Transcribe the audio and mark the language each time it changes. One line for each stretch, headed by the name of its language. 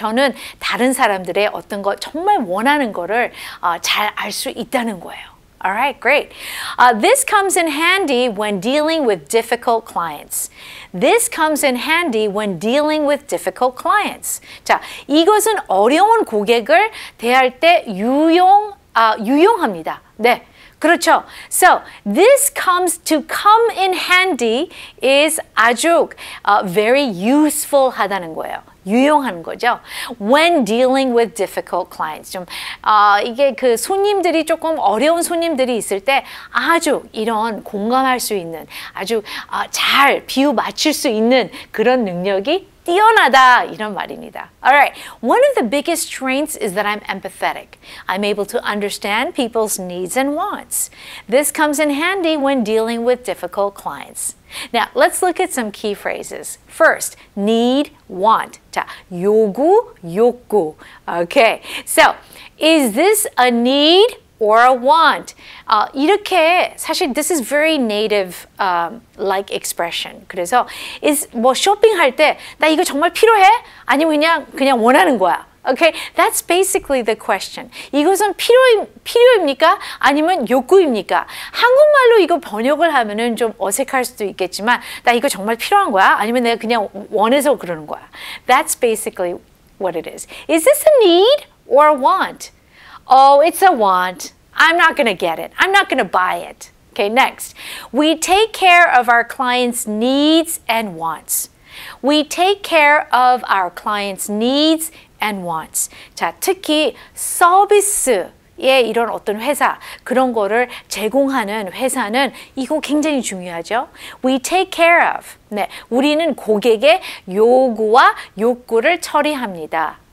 Korean: 저는 다른 사람들의 어떤 거 정말 원하는 거를 잘 알 수 있다는 거예요.
English: Alright, great. This comes in handy when dealing with difficult clients. This comes in handy when dealing with difficult clients.
Korean: 자, 이것은 어려운 고객을 대할 때 유용합니다. 네, 그렇죠.
English: So, this comes to come in handy is
Korean: 아주
English: very useful
Korean: 하다는 거예요. 유용한 거죠.
English: When dealing with difficult clients.
Korean: 좀, 이게 그 손님들이 조금 어려운 손님들이 있을 때 아주 이런 공감할 수 있는 아주 잘 비유 맞출 수 있는 그런 능력이 뛰어나다 이런 말입니다.
English: Alright, one of the biggest strengths is that I'm empathetic. I'm able to understand people's needs and wants. This comes in handy when dealing with difficult clients. Now, let's look at some key phrases. First, need, want.
Korean: 자, 요구, 욕구.
English: Okay, so, is this a need or a want?
Korean: 이렇게 사실
English: this is very native like expression.
Korean: 그래서 is 뭐 쇼핑할 때 나 이거 정말 필요해? 아니면 그냥 원하는 거야?
English: Okay, that's basically the question.
Korean: 이것은 필요입니까? 아니면 욕구입니까? 한국말로 이거 번역을 하면은 좀 어색할 수도 있겠지만 나 이거 정말 필요한 거야? 아니면 내가 그냥 원해서 그러는 거야?
English: That's basically what it is. Is this a need or a want? Oh, it's a want. I'm not going to get it. I'm not going to buy it. Okay, next. We take care of our clients' needs and wants. We take care of our clients' needs and wants.
Korean: 자, 특히 서비스의 이런 어떤 회사, 그런 거를 제공하는 회사는 이거 굉장히 중요하죠.
English: We take care of.
Korean: 네, 우리는 고객의 요구와 욕구를 처리합니다.